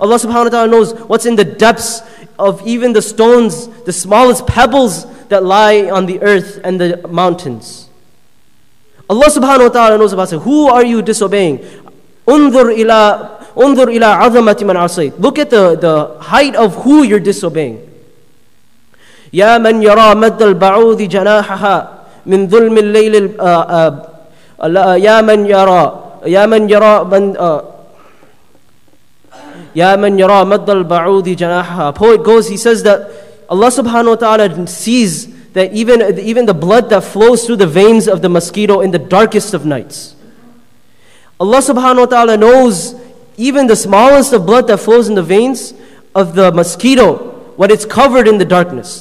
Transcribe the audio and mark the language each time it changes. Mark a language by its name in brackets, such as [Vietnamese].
[English] Allah subhanahu wa ta'ala knows what's in the depths of even the stones, the smallest pebbles that lie on the earth and the mountains. Allah subhanahu wa ta'ala knows about it. Who are you disobeying? [Arabic] انظر إلى عظمتي من عصيت. [English] Look at the height of who you're disobeying. [Arabic] يا من يرى مد البعوض جناحها من ظلم الليل يا من يرى مد البعوض جناحها. [English] Poet goes, he says that Allah subhanahu wa ta'ala sees that even the blood that flows through the veins of the mosquito in the darkest of nights. Allah subhanahu wa ta'ala knows even the smallest of blood that flows in the veins of the mosquito when it's covered in the darkness.